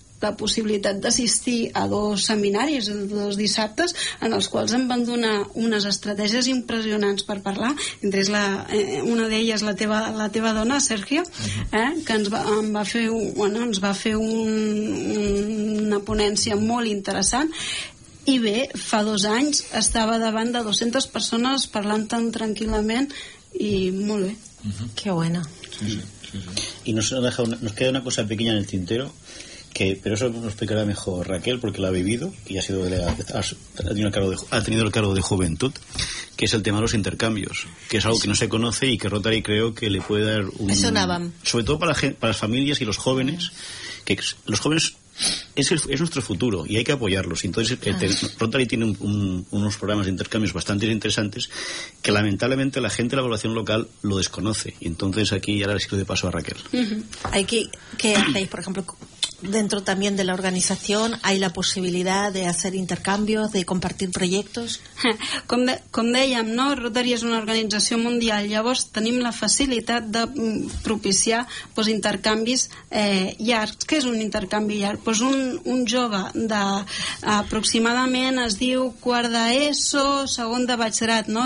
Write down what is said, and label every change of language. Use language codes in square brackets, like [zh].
[ca] la possibilitat d'assistir a dos seminaris, dos dissabtes, en els quals em van donar unes estratègies impressionants per parlar, entre ells una d'elles la teva dona, Sergio, que ens va fer una ponència molt interessant. I bé, fa dos anys estava davant de 200 persones parlant tan tranquil·lament, i molt bé. [es] Qué bueno. Sí. Y nos queda una cosa pequeña en el tintero, que pero eso nos explicará mejor Raquel, porque la ha vivido y ha sido ha tenido el cargo de juventud, que es el tema de los intercambios, que es algo que no se conoce y que Rotary creo que le puede dar un... Eso Navam. Sobre todo para las familias y los jóvenes, que los jóvenes es nuestro futuro y hay que apoyarlos. Entonces, Rotary tiene unos programas de intercambios bastante interesantes que lamentablemente la gente de la población local lo desconoce. Y entonces aquí ya le sirve de paso a Raquel. Uh-huh. ¿Qué hacéis, por ejemplo? Dentro también de la organización, ¿hay la posibilidad de hacer intercambios, de compartir proyectos? [ca] Com dèiem, no? Rotary és una organització mundial, llavors tenim la facilitat de propiciar pues, intercanvis llargs. Què és un intercanvi llarg? Pues un jove de aproximadament, es diu quart d'ESO, segon de batxillerat, no?